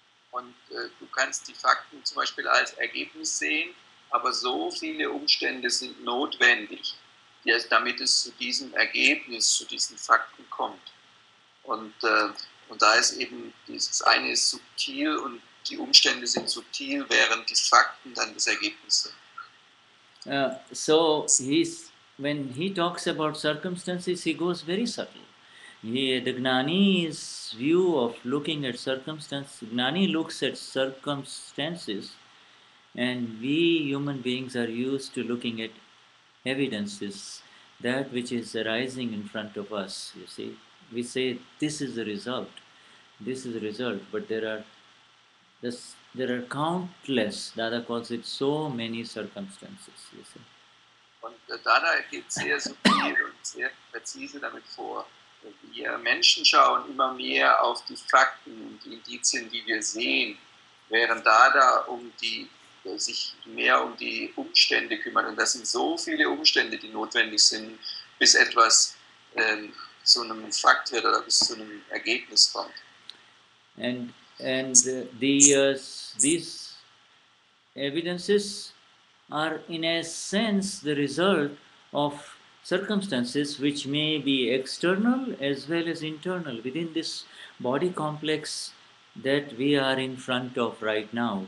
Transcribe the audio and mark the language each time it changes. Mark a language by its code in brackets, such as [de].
[de] Und du kannst die Fakten zum Beispiel als Ergebnis sehen, aber so viele Umstände sind notwendig, damit es zu diesem Ergebnis, zu diesen Fakten kommt. Und da ist eben, das eine ist subtil und die Umstände sind subtil, während die Fakten dann das Ergebnis sind. [en] So, he's, when he talks about circumstances, he goes very subtle. The Gnani's view of looking at circumstances, Gnani looks at circumstances, and we human beings are used to looking at evidences, that which is arising in front of us, you see. We say, this is a result, but there are countless, Dada calls it, so many circumstances, you see. And [de] Dada geht sehr subtil und sehr präzise damit vor. Wir Menschen schauen immer mehr auf die Fakten und die Indizien, die wir sehen, während Dada sich mehr um die Umstände kümmert. Und das sind so viele Umstände, die notwendig sind, bis etwas zu einem Fakt wird oder bis zu einem Ergebnis kommt. [en] And these evidences are in a sense the result of circumstances which may be external as well as internal within this body complex that we are in front of right now.